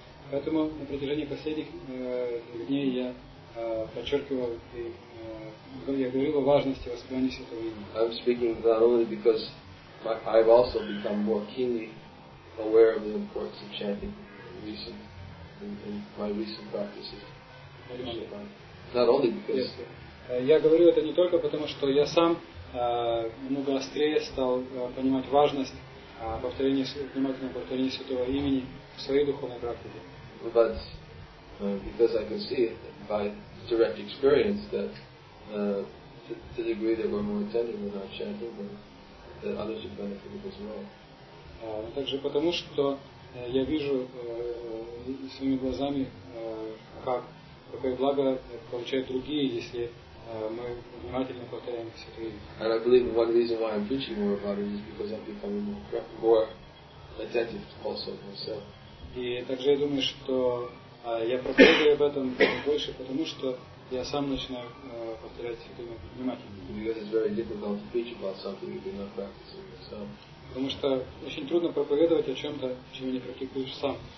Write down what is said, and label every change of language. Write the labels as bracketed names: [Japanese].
[Russian] Поэтому на протяжении последних дней я подчеркивал и я говорил о важности воспевания Святого Имени. [English] I'm speaking not only because I've also become more keenly aware of the importance of chanting in my recent practices. Not only because. Yes. [Russian] Я говорю это не только потому, что я сам много острее стал понимать важность внимательного повторения Святого Имени в своей духовной практике. [English] But because I can see by direct experience that to the degree that we're more attentive when we're chanting, that others have benefited as well. [Russian] Также потому, что я вижу своими глазами, какое благо получают другие, если мы внимательно повторяем Святое Имя. [English] And I believe one reason why I'm preaching more about it is because I'm becoming more attentive also to myself. [Russian] И также я думаю, что я проповедую об этом больше, потому что я сам начинаю повторять это внимательно. Потому что очень трудно проповедовать о чем-то, чего не практикуешь сам.